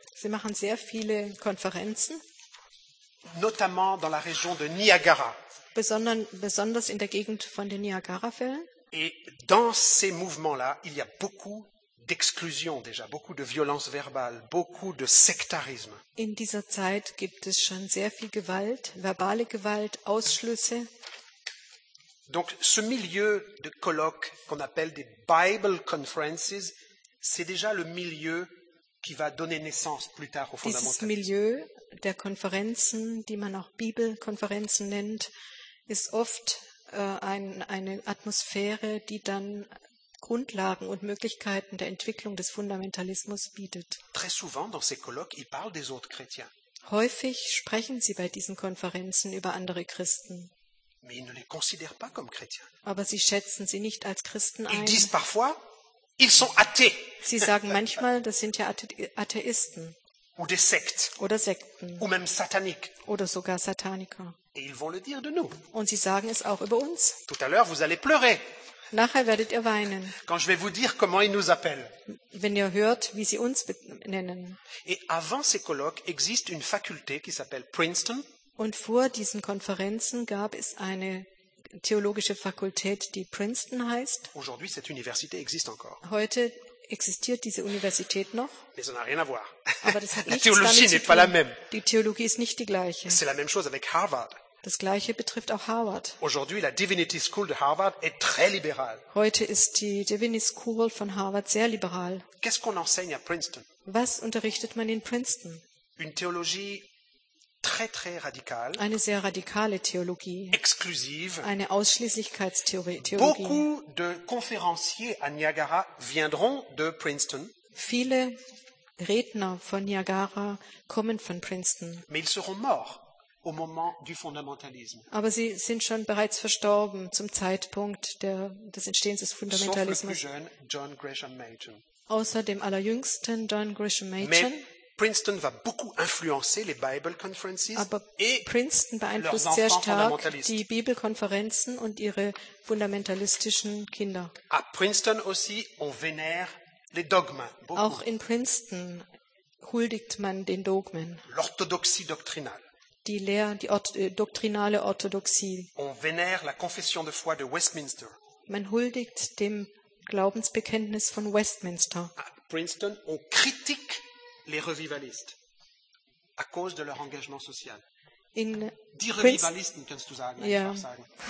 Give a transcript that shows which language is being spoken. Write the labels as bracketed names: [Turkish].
[German] Sie machen sehr viele Konferenzen. [French] Notamment dans la région de Niagara. [German] Besonders in der Gegend von den Niagara-Fällen. [French] Et dans ces mouvements-là, il y a beaucoup d'exclusion déjà, beaucoup de violence verbale, beaucoup de sectarisme. [German] In dieser Zeit gibt es schon sehr viel Gewalt, verbale Gewalt, Ausschlüsse. [French] Donc ce milieu de colloque qu'on appelle des Bible conferences, c'est déjà le milieu qui va donner naissance plus tard au fondamentalisme. [German] Dieses Milieu der Konferenzen, die man auch Bibelkonferenzen nennt, ist oft eine Atmosphäre, die dann Grundlagen und Möglichkeiten der Entwicklung des Fundamentalismus bietet. [French] Très souvent dans ces colloques, ils parlent des autres chrétiens. [German] Häufig sprechen sie bei diesen Konferenzen über andere Christen. [French] Mais ils ne les considèrent pas comme chrétiens. [German] Aber sie schätzen sie nicht als Christen ein. [French] Ils disent parfois, ils sont athées. [German] Sie sagen manchmal, das sind ja Atheisten. [French] Ou des sectes. [German] Oder Sekten. [French] Ou même sataniques. [German] Oder sogar Sataniker. [French] Et ils vont le dire de nous. [German] Und sie sagen es auch über uns. [French] Tout à l'heure, vous allez pleurer. [German] Nachher werdet ihr weinen. [French] Quand je vais vous dire comment ils nous appellent. [German] Wenn ihr hört, wie sie uns nennen. [French] Et avant ces colloques, existe une faculté qui s'appelle Princeton. [German] Und vor diesen Konferenzen gab es eine theologische Fakultät, die Princeton heißt. [French] Aujourd'hui, cette université existe encore. [German] Heute existiert diese Universität noch? [French] Mais ça n'a rien à voir. [German] Aber das hat [French] la théologie n'est pas la même. [German] Die Theologie ist nicht die gleiche. [French] C'est la même chose avec Harvard. [German] Das gleiche betrifft auch Harvard. [French] Aujourd'hui, la Divinity School de Harvard est très libérale. [German] Heute ist die Divinity School von Harvard sehr liberal. [French] Qu'est-ce qu'on enseigne à Princeton? [German] Was unterrichtet man in Princeton? [French] Une théologie très très radicale. [German] Eine sehr radikale Theologie. [French] Exclusive. [German] Eine Ausschließlichkeitstheologie. [French] Beaucoup de conférenciers à Niagara viendront de Princeton. [German] Viele Redner von Niagara kommen von Princeton. [French] Mais ils seront morts au moment du fondamentalisme. [German] Aber sie sind schon bereits verstorben zum Zeitpunkt des Entstehens des Fundamentalismus. [French] Sauf le plus jeune, John Gresham Machen. [German] Außer dem allerjüngsten John Gresham Machen. [French] Mais Princeton va beaucoup influencer les Bible conferences. [German] Aber Princeton beeinflusst sehr stark die Bibelkonferenzen und ihre fundamentalistischen Kinder. [French] À Princeton aussi, on vénère les dogmes. Beaucoup. [German] Auch in Princeton huldigt man den Dogmen. [French] L'orthodoxie doctrinale. [German] Die Lehre, die doctrinale Orthodoxie. [French] On vénère la confession de foi de Westminster. [German] Man huldigt dem Glaubensbekenntnis von Westminster. [French] À Princeton, on critique les revivalistes à cause de leur engagement social. [German] Die Revivalisten, kannst du sagen, einfach sagen.